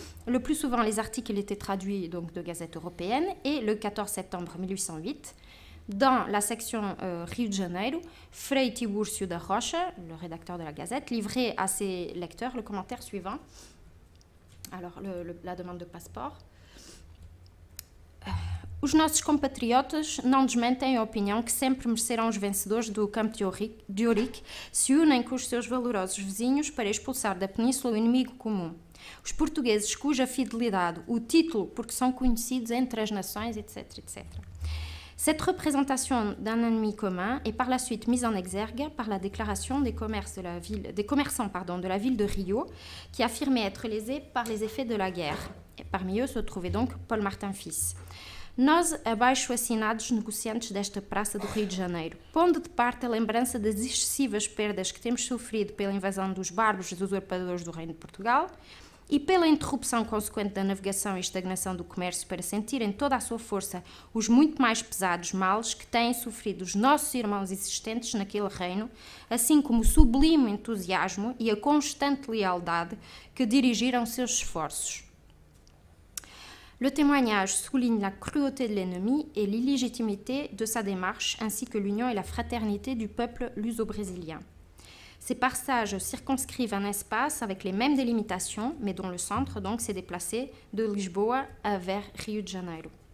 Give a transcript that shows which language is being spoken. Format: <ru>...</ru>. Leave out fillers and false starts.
<fr>Le plus souvent, les articles étaient traduits donc, de gazettes européennes et le 14 septembre 1808, dans la section Rio de Janeiro, Frei Tiburcio da Rocha, le rédacteur de la Gazette, livrait à ses lecteurs le commentaire suivant. Alors, la demande de passeport.</fr> <pt>Os nossos compatriotas não desmentem a opinião que sempre merecerão os vencedores do campo de Ourik se unem com os seus valorosos vizinhos para expulsar da península o inimigo comum. Os portugueses cuja fidelidade, o título, porque são conhecidos entre as nações, etc., etc.</pt> <fr>Cette représentation d'un ennemi commun est par la suite mise en exergue par la déclaration des commerçants de la ville de Rio, qui affirmait être lésés par les effets de la guerre. Et parmi eux se trouvait donc Paul Martin Fils.</fr> <pt>Nós, abaixo-assinados negociantes desta praça do Rio de Janeiro, pondo de parte a lembrança das excessivas perdas que temos sofrido pela invasão dos bárbaros e dos usurpadores do Reino de Portugal e pela interrupção consequente da navegação e estagnação do comércio para sentir em toda a sua força os muito mais pesados males que têm sofrido os nossos irmãos existentes naquele reino, assim como o sublime entusiasmo e a constante lealdade que dirigiram seus esforços.</pt> <fr>Le témoignage souligne la cruauté de l'ennemi et l'illégitimité de sa démarche, ainsi que l'union et la fraternité du peuple luso-brésilien. Ces passages circonscrivent un espace avec les mêmes délimitations, mais dont le centre donc s'est déplacé de Lisboa vers Rio de Janeiro.</fr>